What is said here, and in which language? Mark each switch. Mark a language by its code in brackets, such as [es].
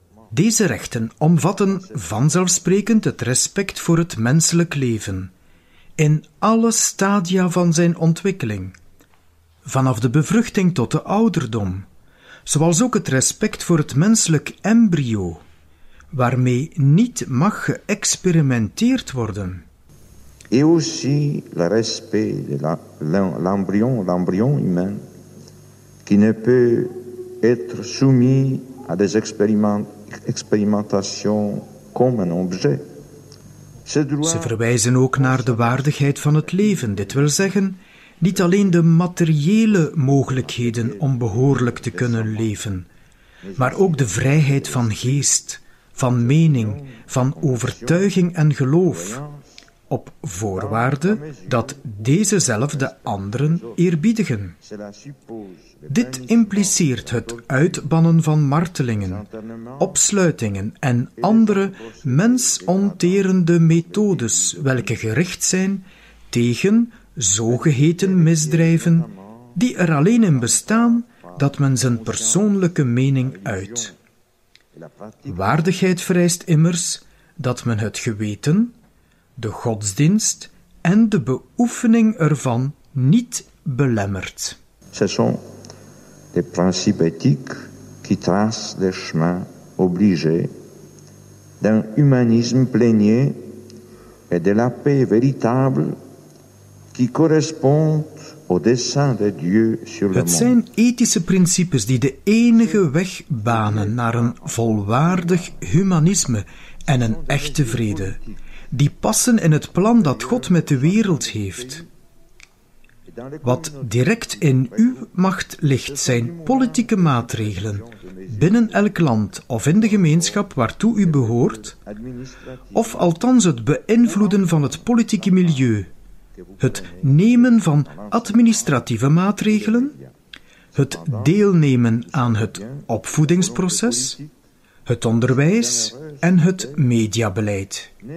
[nl] Deze rechten omvatten vanzelfsprekend het respect voor het menselijk leven, in alle stadia van zijn ontwikkeling, vanaf de bevruchting tot de ouderdom, zoals ook het respect voor het menselijk embryo, waarmee niet mag geëxperimenteerd worden. [fr] Et aussi le respect de l'embryon humain qui ne peut être soumis à des expérimentations comme un objet. [nl] Ze verwijzen ook naar de waardigheid van het leven, dit wil zeggen, niet alleen de materiële mogelijkheden om behoorlijk te kunnen leven, maar ook de vrijheid van geest, van mening, van overtuiging en geloof, op voorwaarde dat deze zelf de anderen eerbiedigen. Dit impliceert het uitbannen van martelingen, opsluitingen en andere mensonterende methodes welke gericht zijn tegen zogeheten misdrijven die er alleen in bestaan dat men zijn persoonlijke mening uit. Waardigheid vereist immers dat men het geweten, de godsdienst en de beoefening ervan niet belemmert. [fr] De principes éthiques qui tracent des chemins obligés d'un humanisme plénier et de la paix véritable qui correspondent au dessein de Dieu sur le monde. [nl] Het zijn ethische principes die de enige weg banen naar een volwaardig humanisme en een echte vrede, die passen in het plan dat God met de wereld heeft. Wat direct in uw macht ligt, zijn politieke maatregelen binnen elk land of in de gemeenschap waartoe u behoort, of althans het beïnvloeden van het politieke milieu, het nemen van administratieve maatregelen, het deelnemen aan het opvoedingsproces, het onderwijs en het mediabeleid.